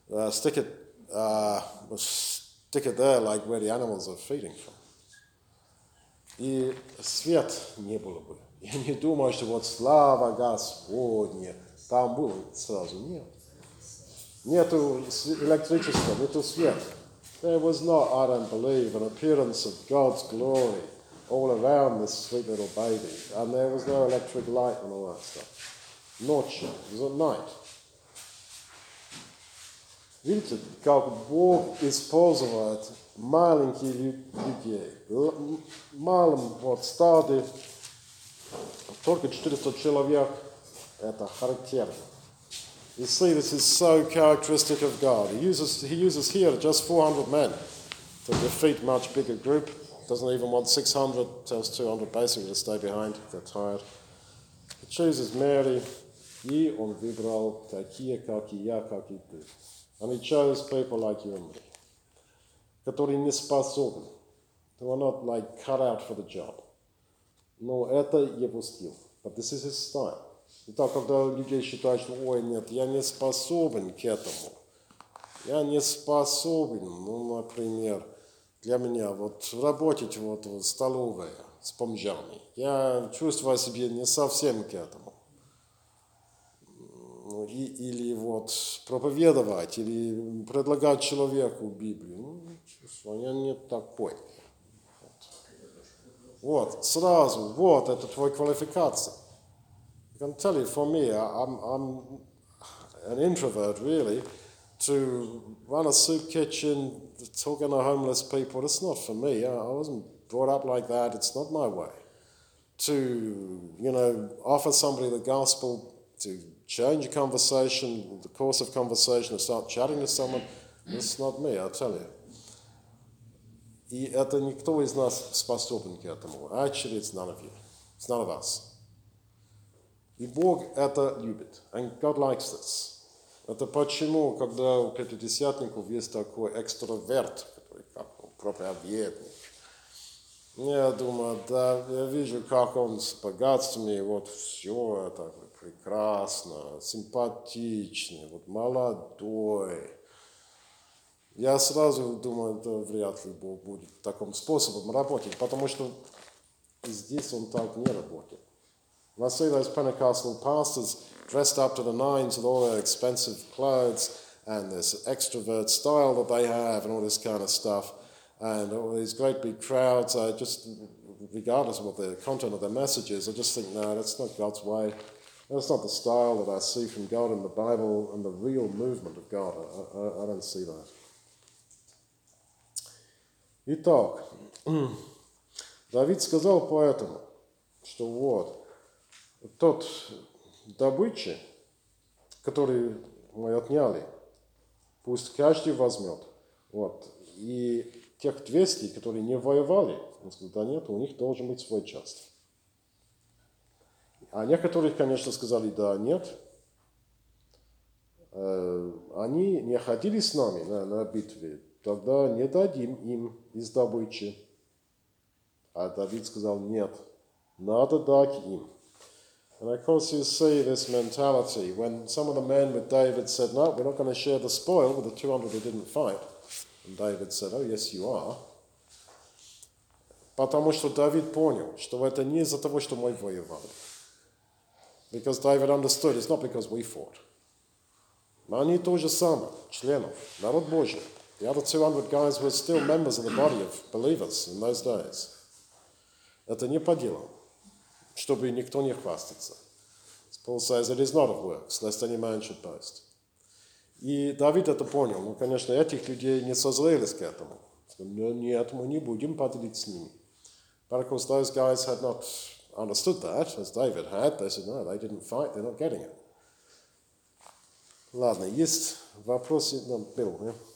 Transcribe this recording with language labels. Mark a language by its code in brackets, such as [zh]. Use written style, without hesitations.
[en] Stick it there, like where the animals are feeding from. [ru] И свет не было бы. Я не думаю, что вот слава Господня, там было сразу. Нет. Нету электричества, нету света. [en] There was not, I don't believe, an appearance of God's glory all around this sweet little baby. And there was no electric light and all that stuff. [ru] Ночью, [en] it was at night. [ru] Видите, как Бог использует маленьких людей. Малым вот стаде, только 400 человек, это характерно. [en] You see, this is so characteristic of God. He uses here just 400 men to defeat much bigger group. Doesn't even want 600, tells 200 basically to stay behind. They're tired. He chooses Mary. [ru] И он выбрал такие, как и я, как и ты. [en] And he chose people like you and me, [ru] которые не способны. [en] They were not like cut out for the job. [ru] Но это его стиль. [en] But this is his style. [ru] Итак, когда люди считают, что ой, нет, я не способен к этому. Я не способен, ну, например, для меня вот работать вот в столовой с бомжами. Я чувствую себя не совсем к этому. Ну, или вот проповедовать, или предлагать человеку Библию. Ну, чувствую, я не такой. Вот. Вот, сразу, вот, это твоя квалификация. [en] I can tell you, for me, I'm an introvert, really. To run a soup kitchen, talking to homeless people, it's not for me. I wasn't brought up like that. It's not my way. To, you know, offer somebody the gospel, to change a conversation, the course of conversation, to start chatting to someone, it's not me, I tell you. [ru] И это никто из нас способен к этому. [en] Actually, it's none of you. It's none of us. [ru] И Бог это любит. [en] And God likes this. [ru] Это почему, когда у пятидесятников есть такой экстраверт, который как проповедник. Я думаю, да, я вижу, как он с богатствами, вот все это прекрасно, симпатичный, вот молодой. Я сразу думаю, да, вряд ли Бог будет таким способом работать, потому что здесь он так не работает. [en] And I see those Pentecostal pastors dressed up to the nines with all their expensive clothes and this extrovert style that they have and all this kind of stuff and all these great big crowds. I just, regardless of what the content of their message is, I just think, no, that's not God's way. That's not the style that I see from God in the Bible and the real movement of God. I don't see that. [ru] Итак, Давид сказал поэтому, что вот тот добычи, который мы отняли, пусть каждый возьмет. Вот. И тех 200, которые не воевали, он сказал, да нет, у них должен быть свой част. А некоторые, конечно, сказали, да, нет. Они не ходили с нами на битве, тогда не дадим им из добычи. А Давид сказал, нет, надо дать им. [en] And of course you see this mentality when some of the men with David said, no, we're not going to share the spoil with the 200 who didn't fight. And David said, oh, yes, you are. [ru] Потому что Давид понял, что это не из-за того, что мы воевали. [en] Because David understood, it's not because we fought. [ru] Но они то же самое, членов, народ Божий. [en] The other 200 guys were still members of the body of believers in those days. [ru] Это не по делам, чтобы никто не хвастался. [en] As Paul says, it is not of works, lest any man should boast. [ru] И Давид это понял. Ну, конечно, этих людей не созрелись к этому. Но нет, мы не будем поделиться с ними. [en] But of course, those guys had not understood that, as David had. They said, no, they didn't fight, they're not getting it. [ru] Ладно, есть вопросы? Ну, Билл,